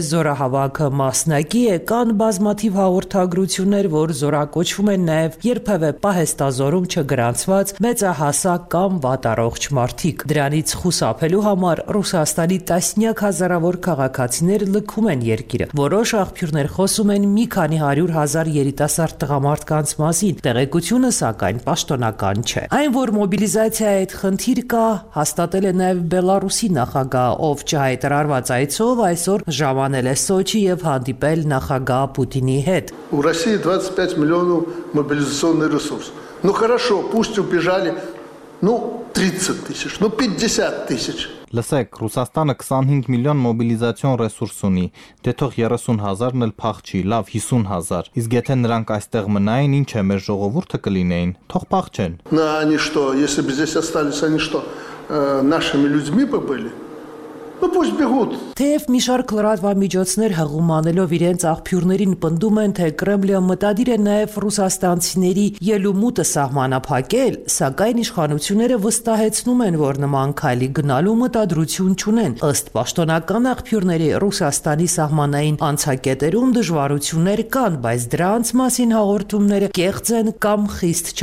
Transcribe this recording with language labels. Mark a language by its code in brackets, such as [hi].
[hy] զորահավաքը մասնակի է, կան բազմաթիվ հաղորդագրություններ, որ զորակոչվում են նաև երբևէ պահեստազորում չգրանցված մեծահասակ կամ վատառողջ մարդիկ։ Դրանից խուսափելու համար Ռուսաստանի տասնյակ հազարավոր քաղաքացիներ լքում են երկիրը։ Որոշ աղբյուրներ խոսում են մի քանի 100,000 երիտասարդ տղամարդկանց մասին։ Տեղեկությունը, սակայն, այն պաշտոնական չէ։ Այն որ մոբիլիզացիա այդ խնդիր կա, հաստատել է նաև Բելարուսի նախագահ, ով չհայտարարված այցով այսօր ժամանել է Սոչի եւ հանդիպել նախագահ Պուտինի հետ։ Ռուսիա 25 միլիոն մոբիլիզացիոն ռեսուրս։ [ru] Ну хорошо, пусть убежали, ну 30 тысяч, ну 50 тысяч. [hy] Լսեք, Ռուսաստանը 25 միլիոն մոբիլիզացիոն ռեսուրս ունի, դե թող 30,000-ն էլ փախչի, լավ 50,000, իսկ եթե նրանք այստեղ մնային, ի՞նչ է մեր ժողովուրդը կլինեին, թող փախչեն։ [ru] Ну они что, если бы здесь остались, они что, нашими людьми бы были? Ну пусть бегут. [hy] Թեև մի շարք լրատվամիջոցներ հղում անելով իրենց աղբյուրներին պնդում են, թե Կրեմլը մտադիր է նաև ռուսաստանցիների ելումուտը սահմանափակել, սակայն իշխանությունները վստահեցնում են, որ նման քայլի գնալու մտադրություն չունեն։ Ըստ պաշտոնական աղբյուրների, Ռուսաստանի սահմանային անցակետերում դժվարություններ կան, բայց դրանց մասին հաղորդումները կեղծ են կամ խիստ